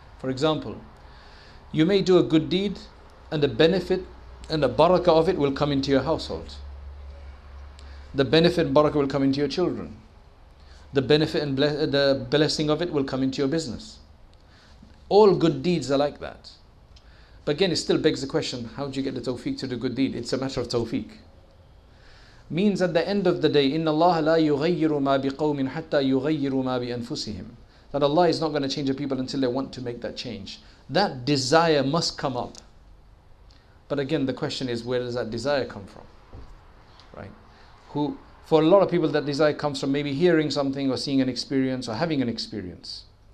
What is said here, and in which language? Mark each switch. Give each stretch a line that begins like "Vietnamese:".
English: For example, you may do a good deed and the benefit and the barakah of it will come into your household. The benefit and barakah will come into your children. The benefit and the blessing of it will come into your business. All good deeds are like that. But again, it still begs the question, how do you get the tawfiq to do good deed? It's a matter of tawfiq. Means at the end of the day,
Arabic: إِنَّ اللَّهَ لَا يُغَيِّرُ مَا بِقَوْمٍ حَتَّى يُغَيِّرُ مَا بِأَنفُسِهِمْ.
English: That Allah is not going to change a people until they want to make that change. That desire must come up. But again, the question is, where does that desire come from? Right? Who? For a lot of people, that desire comes from maybe hearing something or seeing an experience or having an experience.